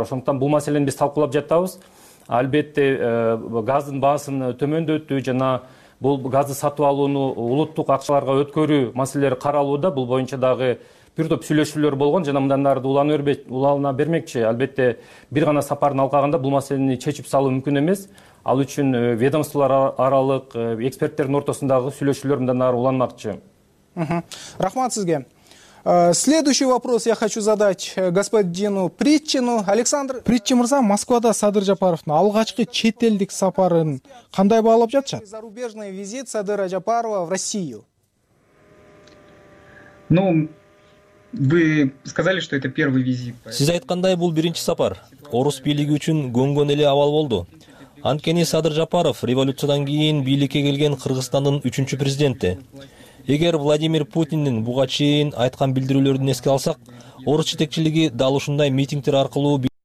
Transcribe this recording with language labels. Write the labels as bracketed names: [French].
[Kyrgyz] Ошондуктан бул маселени биз талкуулап жатабыз. Албетте газдын баасын төмөндөтүү жана бул газды сатып алууну улуттук акчаларга өткөрүү маселелери каралууда. Бул боюнча дагы бир топ сүйлөшүүлөр болгон жана мындан ары улана бермекчи. Албетте бир гана сапардын алкагында бул маселени чечип салуу мүмкүн эмес. Ал үчүн ведомстволор аралык эксперттердин ортосундагы сүйлөшүүлөр мындан ары уланмакчы. Рахмат сизге. [Russian] Следующий вопрос я хочу задать господину Притчину. Александр [Kyrgyz] Притчи мырза, Москвада Садыр Жапаровдун алгачкы чет элдик сапарын кандай баалап жатышат? [Russian] Зарубежный визит Садыра Жапарова в Россию. Ну, вы сказали, что это первый визит. [Kyrgyz] Сиз айткандай, бул биринчи сапар. Орус бийлиги үчүн көнгөн эле абал болду. Анткени Садыр Жапаров революциядан кийин бийликке келген Кыргызстандын үчүнчү президенти. Эгер Владимир Путиндин буга чейин айткан билдирүүлөрүн эске алсак, орус жетекчилиги дал ушундай митингдер аркылуу